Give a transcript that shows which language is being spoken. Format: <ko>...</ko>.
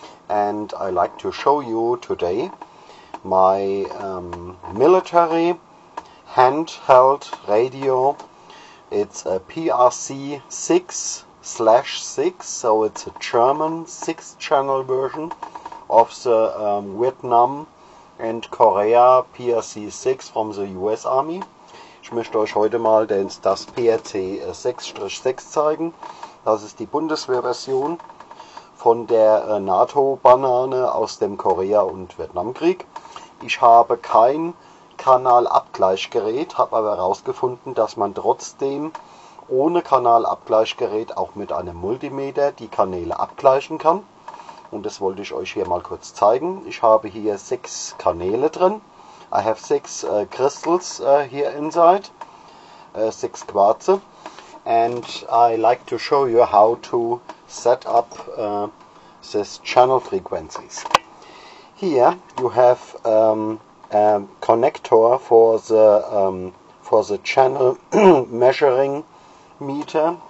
<en>And I like to show you today my military handheld radio. It's a PRC 6/6, so it's a German 6-channel version of the Vietnam and Korea PRC 6 from the US Army.</en> <de>Ich möchte euch heute mal das PRC 6/6 zeigen. Das ist die Bundeswehrversion von der NATO-Banane aus dem Korea- und Vietnamkrieg. Ich habe kein Kanalabgleichgerät, habe aber herausgefunden, dass man trotzdem ohne Kanalabgleichgerät auch mit einem Multimeter die Kanäle abgleichen kann. Und das wollte ich euch hier mal kurz zeigen. Ich habe hier sechs Kanäle drin.</de> <en>I have six crystals here inside, six quartz, and I like to show you how to set up these channel frequencies. Here you have a connector for the channel measuring meter.</en>